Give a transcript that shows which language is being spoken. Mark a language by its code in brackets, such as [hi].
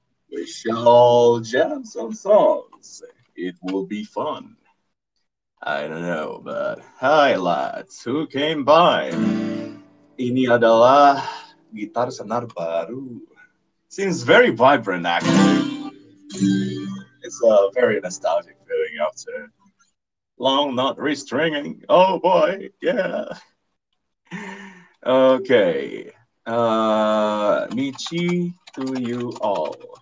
[en] We shall jam some songs. It will be fun. I don't know, but hi lads, who came by? [id] Ini adalah gitar senar baru. [en] Seems very vibrant, actually. It's a very nostalgic feeling after long not restringing. Oh boy, yeah. Okay. Michi to you all.